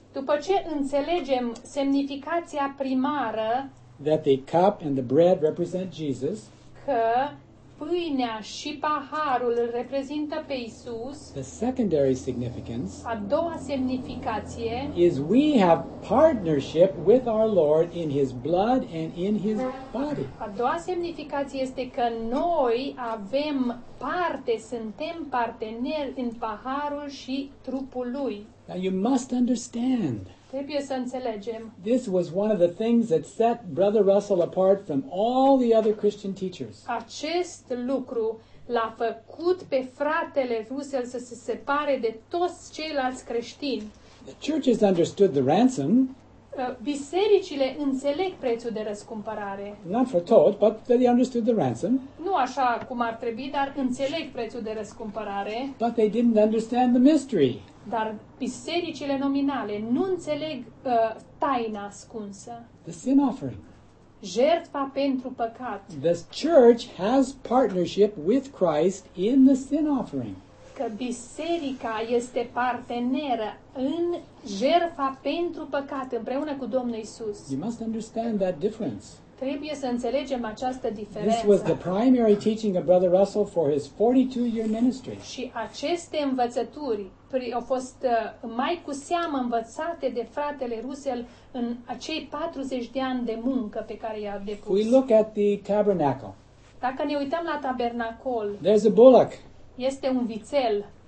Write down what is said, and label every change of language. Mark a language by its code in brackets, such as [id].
[ro] după ce înțelegem semnificația primară, [en] that the cup and the bread represent Jesus, [ro] că pâinea și paharul reprezintă pe Isus. [en] The secondary significance, [ro] a doua semnificație, [en] is we have partnership with our Lord in his blood and in his body. [ro] A doua semnificație este că noi avem parte, suntem parteneri în paharul și trupul lui. [en] Now you must understand. [ro] Trebuie să înțelegem. [en] This was one of the things that set Brother Russell apart from all the other Christian teachers. [ro] Acest lucru l-a făcut pe fratele Russell să se separe de toți ceilalți creștini. [en] The churches understood the ransom. [ro] Bisericile înțeleg prețul de răscumpărare. [en] Not for tot, but they understood the ransom. [ro] Nu așa cum ar trebui, dar înțeleg prețul de răscumpărare. [en] But they didn't understand the mystery. [ro] Dar bisericile nominale nu înțeleg taina ascunsă. [en] The sin offering. [ro] Jertfa pentru păcat. [en] The church has partnership with Christ in the sin offering. [ro] Că biserica este parteneră în jertfa pentru păcat împreună cu Domnul Iisus. [en] You must understand that difference. [ro] Trebuie să înțelegem această diferență. [en] This was the primary teaching of Brother Russell for his 42-year ministry. [ro] Și aceste învățături au fost mai cu seamă învățate de fratele Russell în acei 40 de ani de muncă pe care i-a depus. [en] We look at the tabernacle. [ro] Dacă ne uităm la tabernacol, [en] there's a bullock. [ro] Este un vițel.